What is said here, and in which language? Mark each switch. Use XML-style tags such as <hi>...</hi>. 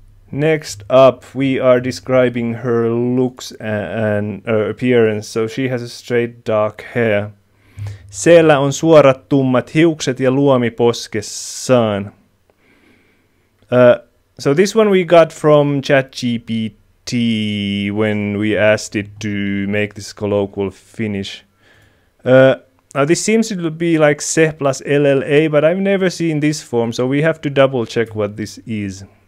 <en>Next up, we are describing her looks and appearance. So she has a straight dark hair.</en> <fi>Siellä on suorat tummat hiukset ja luomi poskessaan.</fi> <en>So this one we got from ChatGPT when we asked it to make this colloquial Finnish. Now this seems to be like se plus LLA, but I've never seen this form, so we have to double check what this is.</en>